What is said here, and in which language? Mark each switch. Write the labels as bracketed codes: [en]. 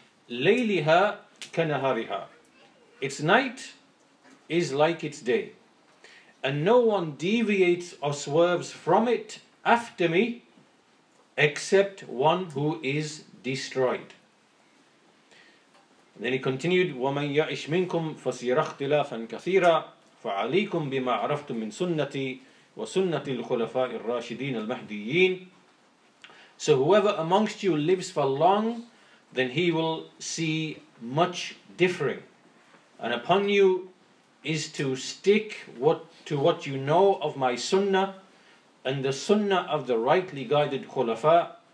[ar] Layliha kanahariha, [en] its night is like its day, and no one deviates or swerves from it after me except one who is destroyed. And then he continued, [ar] وَمَنْ يَعِشْ مِنْكُمْ فَسِيرَ اخْتِلَافًا كَثِيرًا فَعَلِيكُمْ بِمَا عَرَفْتُمْ مِنْ سُنَّتِي وَسُنَّةِ الْخُلَفَاءِ الرَّاشِدِينَ الْمَهْدِيِّينَ. [en] So whoever amongst you lives for long, then he will see much differing. And upon you is to stick to what you know of my sunnah and the sunnah of the rightly guided khulafa.